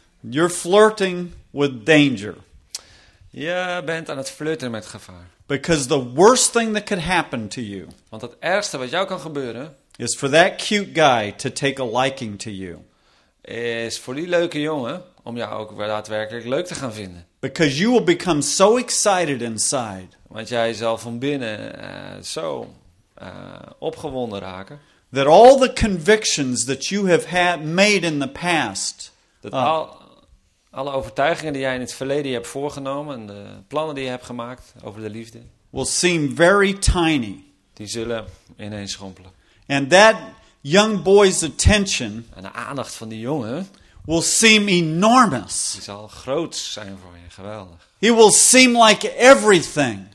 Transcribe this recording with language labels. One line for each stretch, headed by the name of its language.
English: You're flirting with danger.
Dutch: Je bent aan het flirten met gevaar.
English: Because the worst thing that could happen to you.
Dutch: Want het ergste wat jou kan gebeuren.
English: Is for that cute guy to take a liking to you.
Dutch: Is voor die leuke jongen om jou ook daadwerkelijk leuk te gaan vinden.
English: Because you will become so excited inside.
Dutch: Want jij zal van binnen zo opgewonden raken.
English: That all the convictions that you have had made in the past.
Dutch: Dat alle overtuigingen die jij in het verleden hebt voorgenomen en de plannen die je hebt gemaakt over de liefde.
English: Will seem very tiny.
Dutch: Die zullen ineens schrompelen.
English: And that young boy's attention.
Dutch: En de aandacht van die jongen.
English: Will seem enormous.
Dutch: Die zal groot zijn voor je, geweldig.
English: He will seem like everything.